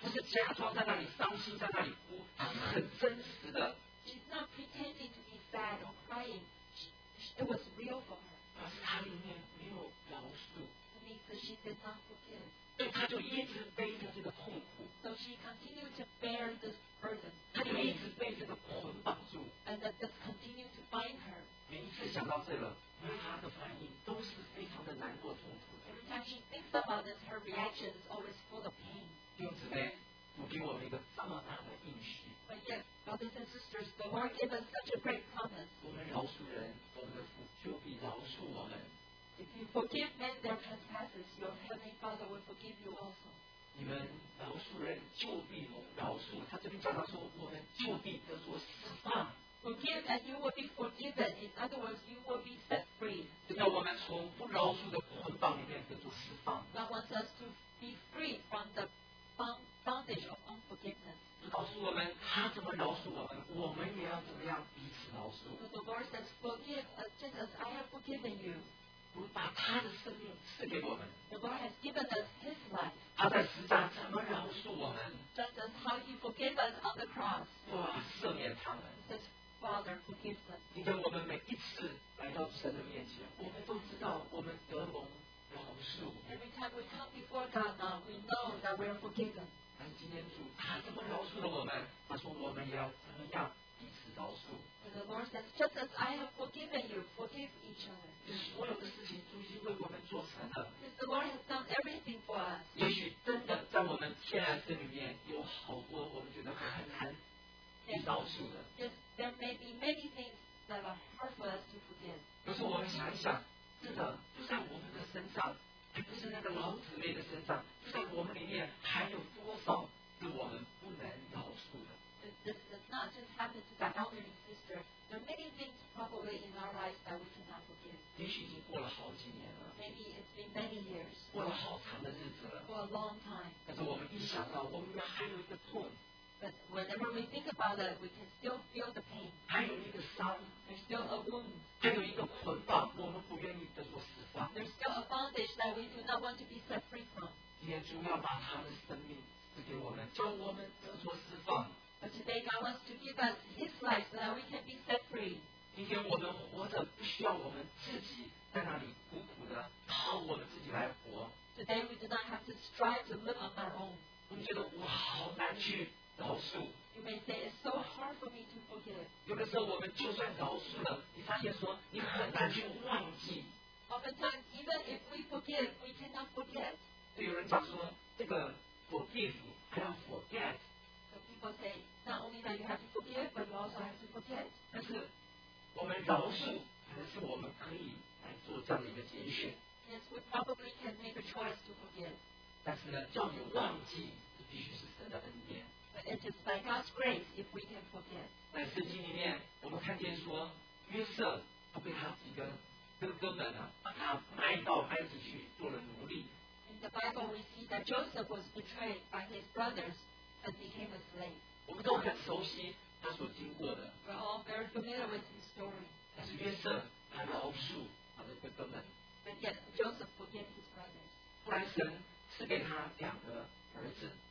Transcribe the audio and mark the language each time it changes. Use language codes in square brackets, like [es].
[zh] 假装在那里伤心，在那里哭，他是很真实的。 [en] She's not pretending to be sad or crying. It was real for her. [zh] 可是她里面没有饶恕。 [en] That means that she did not forgive. [zh] 对，她就一直背着这个痛苦。 [en] So she continued to bear this burden. [zh] 她就一直被这个捆绑住。 [en] And that just continued to bind her. [zh] 每一次想到这个，她的反应都是非常的难过痛苦。 [en] Every time she thinks about this, her reaction is always full of pain. [zh] 弟兄姊妹，主给我们一个这么大的应许。 [en] But yet, brothers and sisters, the Lord gave us such a great promise. [zh] 我们饶恕人，我们的父就必饶恕我们。 [en] If you forgive men their trespasses, your heavenly Father will forgive you also. [zh] 你们饶恕人，就必饶恕。他这边讲到说，我们就必得着释放。 [en] Forgive and you will be forgiven. In other words, you will be set free. [zh] 就叫我们从不饶恕的捆绑里面得着释放。 [en] God wants us to be free from the bondBoundage of unforgiveness. [zh] 告诉我们他怎么饶恕我们，我们也要怎么样彼此饶恕。 [en] So、the Lord says, "Forgive us, just as I have forgiven you." [zh] 我把他的生命赐给我们。 [en] The Lord has given us His life. [zh] 他在十字架怎么饶恕我们 [en] ？Just as how He forgave us on the cross. [zh] 哇，赦免他们。 [en] He says, "Father, forgive them." [zh] 今天我们每一次来到神的面前，我们都知道我们得蒙饶恕。 [en] Every time we come before God now, we know that we are forgiven. [zh] 但是今天主他怎么饶恕了我们？他说我们也要怎么样彼此饶恕。 [en] The Lord says, just as I have forgiven you, forgive each other. [zh] 这所有的事情主已经为我们做成了。 [en] Because the Lord has done everything for us. [zh] 也许真的在我们天然生里面有好多我们觉得很难去饶恕的。 [en] Yes, there may be many things that are hard for us to forgive. [zh] 可是我们想一想，真的就在我们的身上。还不是那个老姊妹的身上，就在我们里面还有多少是我们不能饶恕的？ [en] This does not just happen to the elderly sister. There are many things probably in our lives that we cannot forgive. [zh] 也许已经过了好几年了。 [en] Maybe it's been many years. [zh] 过了好长的日子了。 [en] For a long time. [zh] 但是我们一想到我们还有一个痛。 [en] But whenever we think about it, we can still feel the pain. [zh] 还有一个伤。 [en] There's still a wound. [zh] 还有一个捆绑，我们不愿意得着释放。 [en] There's still a bondage that we do not want to be set free from. [zh] 今天主要把他的生命赐给我们，叫我们得着释放。 [en] But today God wants to give us His life so that we can be set free. [zh] 今天我们活着不需要我们自己在那里苦苦的靠我们自己来活。 [en] Today we do not have to strive to live on our own. [zh] 我们觉得我好难去。饶恕。 [en] You may say it's so hard for me to forgive. [zh] 有的时候我们就算饶恕了，你发现说你很难去忘记。 [en] Oftentimes, even if we forgive, we cannot forget. [zh] 对，有人讲说这个 forgive 还要 forget. [en] So people say not only that you have to forgive, but you also have to forget. [zh] 但是我们饶恕，可能是我们可以来做这样的一个拣选。 [en] Yes, we probably can make a choice to forgive. [zh] 但是呢，叫你忘记，这必须是神的恩典。 [en] It is by God's grace if we can forget. [zh] 在圣经里面，我们看见说，约瑟他被他几个哥哥们啊，把他卖到埃及去做了奴隶。 [en] In the Bible, we see that Joseph was betrayed by his brothers and became a slave. [zh] 我们都很熟悉他所经过的。 [en] We're all very familiar with his story. [zh] 但是约瑟他饶恕他的哥哥们。 [en] But yet Joseph forgave his brothers. [zh] 后来神赐给他两个儿子。